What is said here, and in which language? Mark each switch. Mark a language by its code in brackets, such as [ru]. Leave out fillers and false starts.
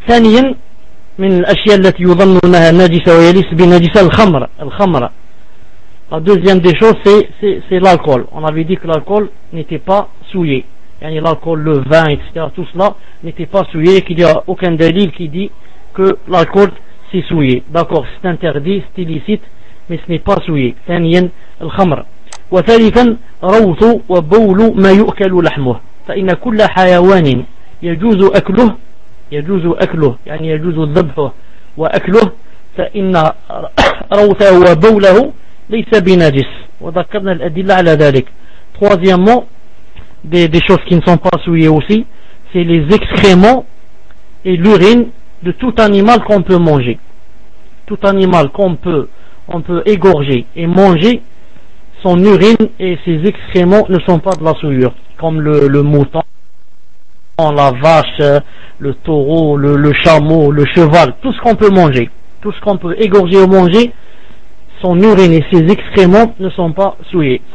[ar] ثانيا من الاشياء التي يظن انها نجسه ويليس بنجس الخمر. [fr] La deuxième des choses, c'est l'alcool. On avait dit que l'alcool n'était pas souillé. Yani l'alcool, le vin, etc., tout cela n'était pas souillé, et qu'il n'y a aucun dalil qui dit que l'alcool s'est souillé. D'accord, c'est interdit, c'est illicite, mais ce n'est pas souillé. [ar] ثانيًا الخمر. وثالثًا روث وبول ما يؤكل لحمه. فإن كل حيوان يجوز أكله يعني يجوز ذبحه وأكله، فإن روثه وبوله ليس بنجس، وذكرنا الأدلة على ذلك. [fr] Troisièmement, des choses qui ne sont pas souillées aussi, c'est les excréments et l'urine de tout animal qu'on peut manger. Tout animal qu'on peut égorger et manger, son urine et ses excréments ne sont pas de la souillure, comme le mouton, la vache, le taureau, le chameau, le cheval, tout ce qu'on peut manger, tout ce qu'on peut égorger ou manger, son urine et ses excréments ne sont pas souillés.